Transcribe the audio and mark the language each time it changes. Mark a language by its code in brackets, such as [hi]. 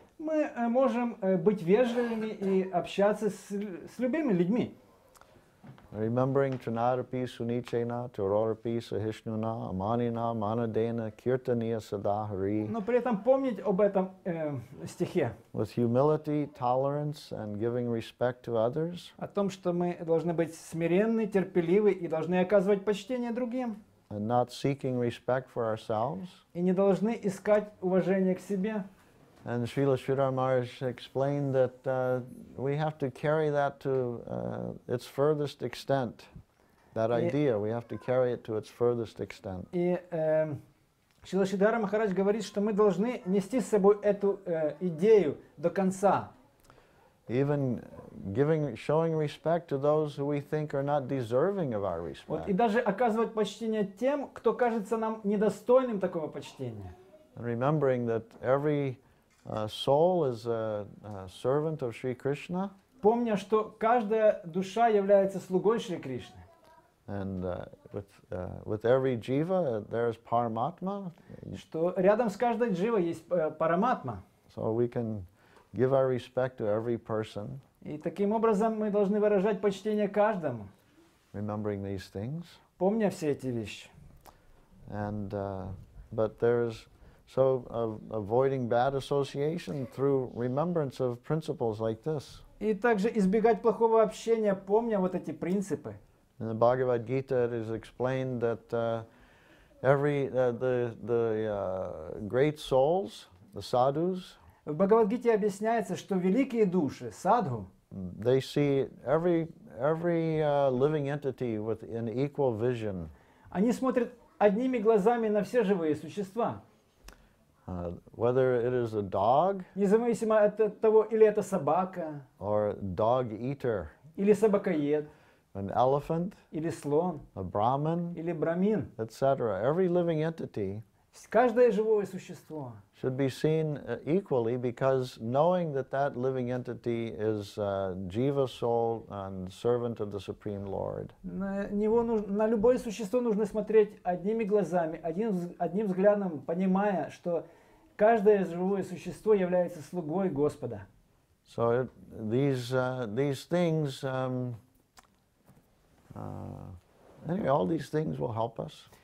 [ru] Мы можем быть вежливыми и общаться с любыми людьми. [sa] Remembering Trinarapi Sunichena, Tororapi Sahishnuna, Amanina, Manadena, Kirtaniya Sadahari. [ru] Но при этом помнить об этом стихе. [en] With humility, tolerance, and giving respect to others. [ru] О том, что мы должны быть смиренны, терпеливы и должны оказывать почтение другим. [en] And not seeking respect for ourselves. [ru] И не должны искать уважение к себе. [en] And Srila Sridhar Maharaj explained that we have to carry that to its furthest extent. That idea, we have to carry it to its furthest extent. [ru] И Шрила Сридхара Махарадж говорит, что мы должны нести с собой эту идею до конца. [en] Even giving, showing respect to those who we think are not deserving of our respect. [ru] Вот, и даже оказывать почтение тем, кто кажется нам недостойным такого почтения. [en] And remembering that every soul is a servant of Sri Krishna. [ru] Помня, что каждая душа является слугой Шри Кришны. [en] And with every jiva there is Paramatma. [ru] Что рядом с каждой дживой есть Параматма. [en] So we can give our respect to every person. [ru] И таким образом мы должны выражать почтение каждому. [en] Remembering these things. [ru] Помня все эти вещи. [en] And but there is so avoiding bad association through remembrance of principles like this. [ru] И также избегать плохого общения, помня вот эти принципы. [en] In the Bhagavad Gita, it is explained that great souls, the sadhus. [ru] В Бхагавад-гите объясняется, что великие души, садху. [en] They see every living entity with an equal vision. [ru] Они смотрят одними глазами на все живые существа. [en] Whether it is a dog, [ru] независимо от того, или это собака, [en] or dog eater, [ru] или собакоед, [en] an elephant, [ru] или слон, [en] a brahmin, [ru] или брамин, [en] etc. Every living entity, [ru] каждое живое существо, [en] should be seen equally, because knowing that that living entity is jiva soul and servant of the Supreme Lord. [ru] На любое существо нужно смотреть одними глазами, одним взглядом, понимая, что каждое живое существо является слугой Господа. [en] So all these things will help us.